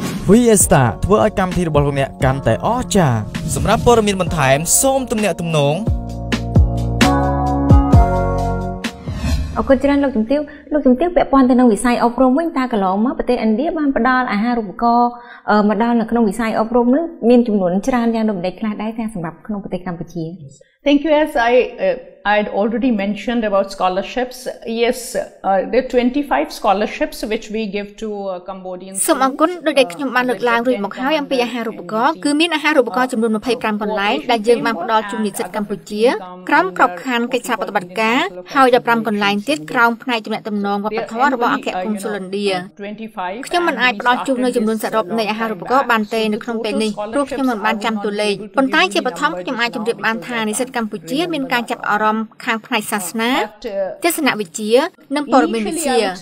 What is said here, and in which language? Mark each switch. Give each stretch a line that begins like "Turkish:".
Khmer: វិស្តាធ្វើឲ្យកម្មវិធីរបស់លោកអ្នកកាន់តែអស្ចារ្យសម្រាប់ព័ត៌មានបន្ថែមសូមទំនាក់ទំនង អរគុណច្រើនលោកជំទាវលោកជំទាវពាក់ព័ន្ធទៅនឹងវិស័យអប់រំវិញតើកន្លងមកប្រទេសឥណ្ឌាបានផ្ដល់អាហារូបករណ៍មកដល់នៅក្នុងវិស័យអប់រំនេះមានចំនួនច្រើនយ៉ាងដូចម្ដេចខ្លះដែរតែសម្រាប់ក្នុងប្រទេសកម្ពុជា
English: Thank you. As I'd already mentioned about scholarships. Yes, there are 25 scholarships which we give to Cambodian students.
Khmer: សម្រាប់ គុណ ដោយ ដែល ខ្ញុំ បាន លើក ឡើង រួច មក ហើយ អំពី អាហារ ឧបករណ៍ គឺ មាន អាហារ ឧបករណ៍ ចំនួន 25 កន្លែង ដែល យើង បាន ផ្តល់ ជូន និស្សិត កម្ពុជា ក្រោម ក្របខណ្ឌ កិច្ច ការ បទបត្តិ ការ ហើយ 15 កន្លែង ទៀត ក្រោម ផ្នែក ចំណាក់ តំណង វប្បធម៌ របស់ អគ្គ កុងស៊ុល ឥណ្ឌា ខ្ញុំ មិន អាច ផ្តល់ ជូន នៅ ចំនួន សរុប នៃ អាហារ ឧបករណ៍ បាន ទេ នៅ ក្នុង ពេល នេះ ព្រោះ ខ្ញុំ មិន បាន ចាំ ទួលេខ ប៉ុន្តែ ជា បឋម ខ្ញុំ អាច ជម្រាប បាន ថា និស្សិត កម្ពុជា មាន ការ ចាប់ អារម្មណ៍ ខាង ផ្នែក សាសនា ទស្សនៈ វិជ្ជា និង ព័ត៌មាន វិទ្យា